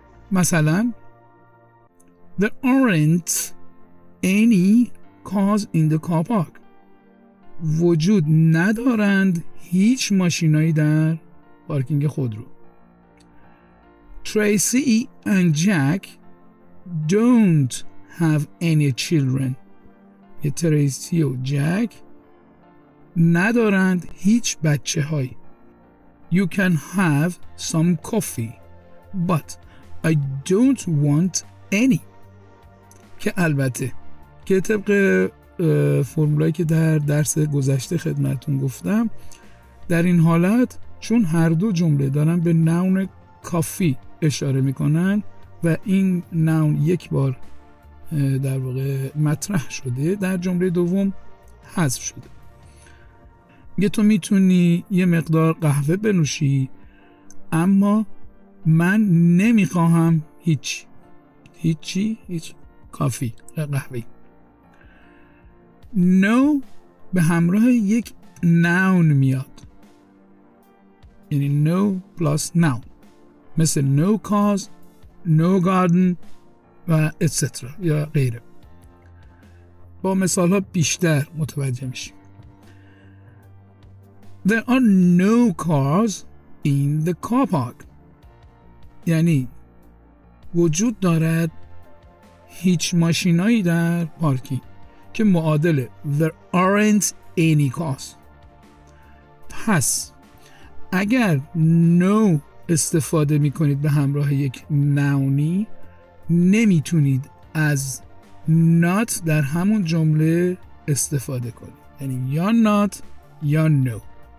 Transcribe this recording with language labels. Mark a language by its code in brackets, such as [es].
[fa] مثلا [en] There aren't any cars in the car park. [fa] وجود ندارند هیچ ماشینایی در پارکینگ خودرو. [en] Tracy and Jack don't have any children. [fa] یه تریسی و جک ندارند هیچ بچه های. [en] You can have some coffee but I don't want any. [fa] که البته که طبق فرمولایی که در درس گذشته خدمتون گفتم، در این حالت چون هر دو جمله دارن به نون کافی اشاره میکنن و این نون یک بار در واقع مطرح شده، در جمله دوم حذف شده. یه تو میتونی یه مقدار قهوه بنوشی اما من نمیخواهم هیچ کافی قهوه. نو به همراه یک نون میاد، یعنی نو پلاس نون، مثل نو کاز، نو گاردن و اتسترا یا غیره. با مثال ها بیشتر متوجه میشیم. [en] There are no cars in the car park. [fa] یعنی وجود دارد هیچ ماشینایی در پارکینگ، که معادله [en] There aren't any cars. [fa] پس اگر no استفاده میکنید به همراه یک نونی، نمیتونید از not در همون جمله استفاده کنید، یعنی یا not یا no.